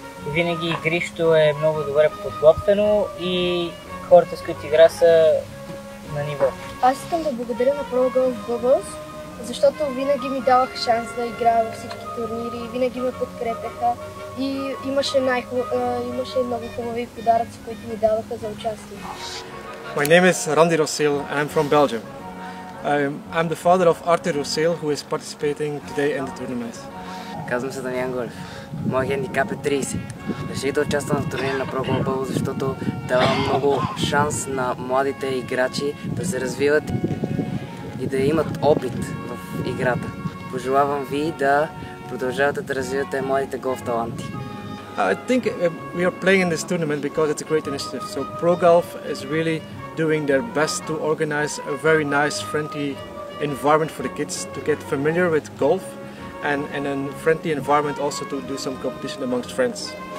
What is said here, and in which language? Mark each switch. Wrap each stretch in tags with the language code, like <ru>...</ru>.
<bg>Винаги игрището е много добре подготвено и хората, с които игра, са на ниво. Аз искам да благодаря на Pro Golf Bubbles, защото винаги ми давах шанс да играя във всички турнири, винаги ме подкрепяха и имаше много хубави подаръци, които ми даваха за участие.</bg> <en>My name is Randy Rossiel and I'm from Belgium. I'm the father of Arthur Rossiel, who is participating today in the tournament.</en> <bg>Казвам се Даниан Голев. Моя хендикап е 30. Реших да участвам в турнир на Pro Golf Bubbles, защото дава много шанс на младите играчи да се развиват и да имат опит в играта. Пожелавам ви да продължавате да развивате младите голф таланти.</bg> <en>I think we are playing in this tournament because it's a great initiative. So Pro Golf is really doing their best to organize a very nice friendly environment for the kids to get familiar with golf. And a friendly environment also to do some competition amongst friends.</en>